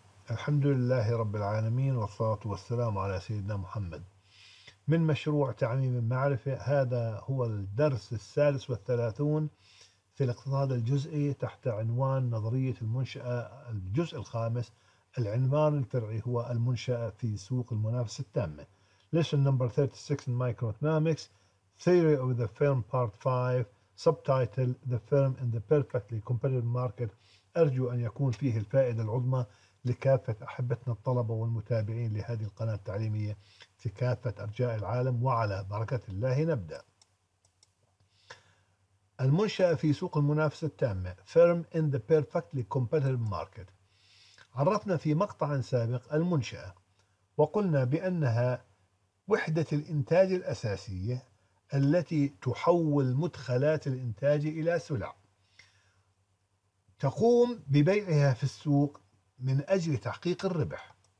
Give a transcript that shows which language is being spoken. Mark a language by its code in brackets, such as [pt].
[ar] الحمد لله رب العالمين، والصلاة والسلام على سيدنا محمد. من مشروع تعميم المعرفة، هذا هو الدرس 36 في الاقتصاد الجزئي تحت عنوان نظرية المنشأة. الجزء الخامس، العنوان الفرعي هو المنشأة في سوق المنافسة التامة. [en] Lesson number 36 in microeconomics, theory of the firm part 5, subtitle the firm in the perfectly competitive market. [ar] أرجو أن يكون فيه الفائدة العظمى لكافة أحبتنا الطلبة والمتابعين لهذه القناة التعليمية في كافة أرجاء العالم، وعلى بركة الله نبدأ. المنشأة في سوق المنافسة التامة، [en] firm in the perfectly competitive market. [ar] عرفنا في مقطع سابق المنشأة، وقلنا بأنها وحدة الإنتاج الأساسية التي تحول مدخلات الإنتاج إلى سلع، تقوم ببيعها في السوق من أجل تحقيق الربح.